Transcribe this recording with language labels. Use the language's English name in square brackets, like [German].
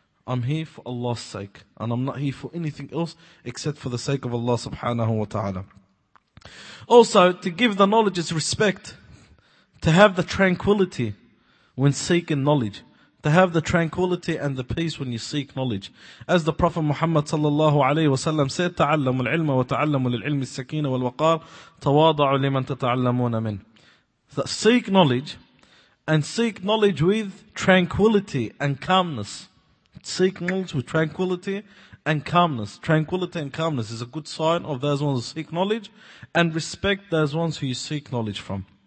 [English] I'm here for Allah's sake. And I'm not here for anything else except for the sake of Allah subhanahu wa ta'ala. Also, to give the knowledge its respect. To have the tranquility when seeking knowledge. To have the tranquility and the peace when you seek knowledge. As the Prophet Muhammad sallallahu alayhi wa sallam said, [Arabic] تَعَلَّمُوا الْعِلْمَ وَتَعَلَّمُوا لِلْعِلْمِ السَّكِينَ وَالْوَقَارِ تَوَاضَعُوا لِمَنْ تَتَعَلَّمُونَ مِنْ. [English] Seek knowledge, and seek knowledge with tranquility and calmness. Seek knowledge with tranquility and calmness. Tranquility and calmness is a good sign of those ones who seek knowledge, and respect those ones who you seek knowledge from.